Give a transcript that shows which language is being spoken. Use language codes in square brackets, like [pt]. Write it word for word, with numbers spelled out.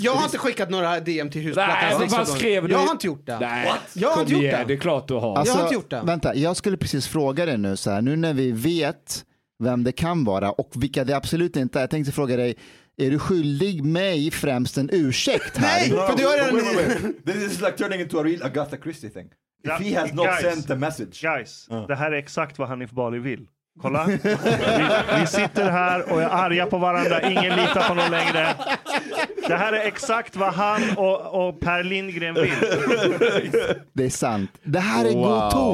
[sv] Jag har inte skickat några D M till Husplattarnas risk. Nej, vad skrev du? Jag har inte gjort det. Nej. What? Jag har inte gjort det. Det är klart du har. Alltså, jag har inte gjort det. Vänta, jag skulle precis fråga dig nu så här nu när vi vet vem det kan vara och vilka det absolut inte är. Jag tänkte fråga dig är du skyldig mig främst en ursäkt här? Nej, för du har en... [en] Wait, wait, wait. This is like turning into a real Agatha Christie thing. If ja, he has not guys, sent the message. Guys, [sv] uh. det här är exakt vad Hanif Bali vill. Kolla, vi, vi sitter här och är arga på varandra. Ingen litar på någon längre. Det här är exakt vad han och, och Per Lindgren vill. Det är sant. Det här är wow. god ton.